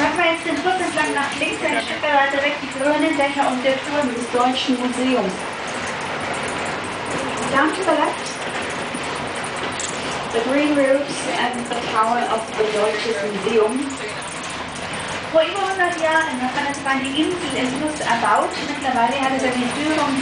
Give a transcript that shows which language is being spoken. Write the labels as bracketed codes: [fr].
[de] Jetzt den Fluss entlang nach links, ein Stück weiter weg, die grünen Dächer und der Turm des Deutschen Museums. [en] Down to the left, the green roofs and the tower of the Deutsche Museum. [de] Vor über 100 Jahren hat man die Insel im Fluss erbaut. Mittlerweile hat es eine Führung.